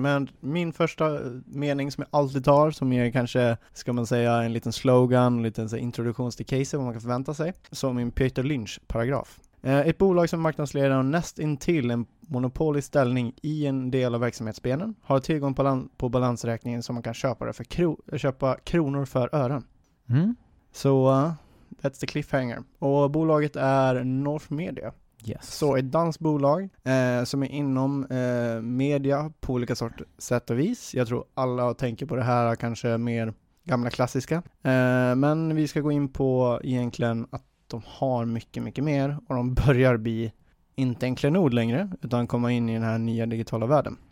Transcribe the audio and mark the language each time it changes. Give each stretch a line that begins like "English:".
Swedish: Men min första mening som jag alltid tar, som är kanske, ska man säga, en liten slogan, en liten så, introduktion till case, vad man kan förvänta sig. Som min Peter Lynch-paragraf. Ett bolag som marknadsledare och nästintill en monopolisk ställning i en del av verksamhetsbenen har tillgång på balansräkningen som man kan köpa det för köpa kronor för ören. Mm.
English: Så that's the cliffhanger.
Swedish: Och bolaget är North Media.
English: Yes.
Swedish: Så ett danskt bolag som är inom media på olika sorts sätt och vis. Jag tror alla tänker på det här kanske mer gamla klassiska. Men vi ska gå in på egentligen att de har mycket, mycket mer och de börjar bli inte en klenod längre utan komma in i den här nya digitala världen.